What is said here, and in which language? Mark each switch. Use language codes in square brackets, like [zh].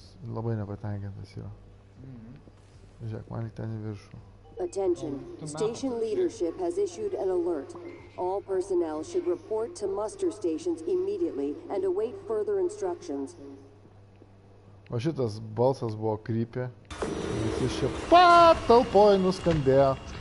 [lt] Labai nepatenkintas yra. Žiūrėk, man į ten į viršų. [en] Attention. Station leadership has issued an alert. All personnel should report to muster stations immediately and await further instructions. [lt] O šitas balsas buvo creepy. Visi šia pat talpoj nuskambėjo.